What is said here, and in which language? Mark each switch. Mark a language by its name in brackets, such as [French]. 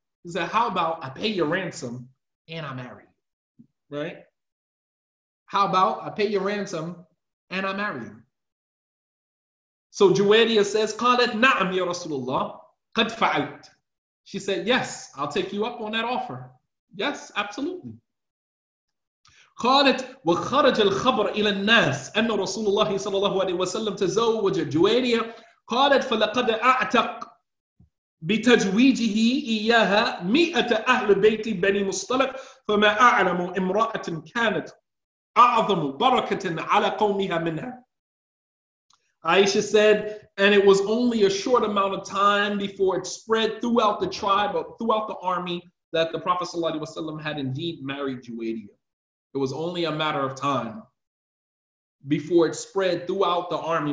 [English] He said, "How about I pay your ransom and I marry you?" Right? "How about I pay your ransom and I marry you?" So Juwayriya says, [Arabic] "قَالَتْ نَعَمْ يَا رَسُولُ اللَّهِ قَدْ فَعَلْتْ." [English] She said, "Yes, I'll take you up on that offer. Yes, absolutely." [Arabic] قالت وخرج الخبر إلى الناس أن رسول الله صلى الله عليه وسلم تزوج جويريا قالت فلقد أعتق بتجويجه إياها 100 أهل بيت بني مصطلق فما أعلم امرأة كانت أعظم بركة على قومها منها. [English] Aisha said, "And it was only a short amount of time before it spread throughout the tribe, throughout the army, that the Prophet [Arabic] صلى الله عليه وسلم [English] had indeed married Juwayriyah. It was only a matter of time before it spread throughout the army."